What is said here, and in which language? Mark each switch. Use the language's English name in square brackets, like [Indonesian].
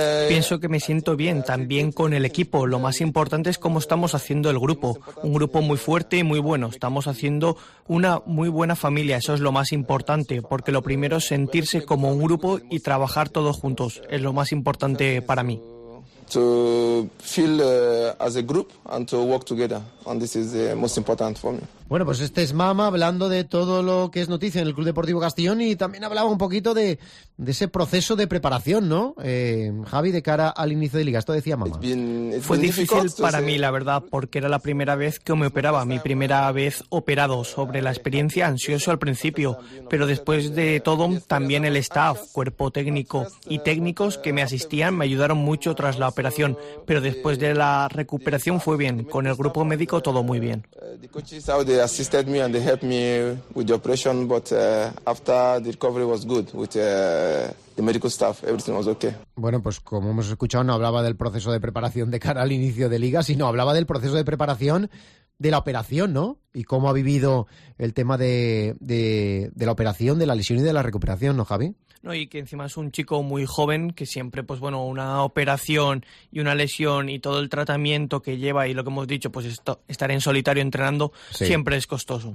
[Spanish] Pienso que me siento bien, también con el equipo. Lo más importante es cómo estamos haciendo el grupo. Un grupo muy fuerte y muy bueno. Estamos haciendo una muy buena familia, eso es lo más importante, porque lo primero es sentirse como un grupo y trabajar todos juntos. Es lo más importante para mí. [English] To feel as a group and to work together, and this is the most important for me. [Spanish] Bueno, pues este es Mama hablando de todo lo que es noticia en el Club Deportivo Castellón y también hablaba un poquito de ese proceso de preparación, ¿no? Javi, de cara al inicio de liga, esto decía Mama. Fue difícil para mí, la verdad, porque era la primera vez que me operaba, mi primera vez operado. Sobre la experiencia, ansioso al principio, pero después de todo también el staff, cuerpo técnico y técnicos que me asistían me ayudaron mucho tras la operación, pero después de la recuperación fue bien, con el grupo médico todo muy bien. [English] They assisted me and they helped me with the operation, but after the recovery was good with the medical staff, everything was okay. [Spanish] Bueno, pues como hemos escuchado, no hablaba del proceso de preparación de cara al inicio de liga, sino hablaba del proceso de preparación de la operación, ¿no? Y cómo ha vivido el tema de la operación, de la lesión y de la recuperación, ¿no, Javi? No, y que encima es un chico muy joven, que siempre, pues bueno, una operación y una lesión y todo el tratamiento que lleva y lo que hemos dicho, pues estar en solitario entrenando, sí, siempre es costoso.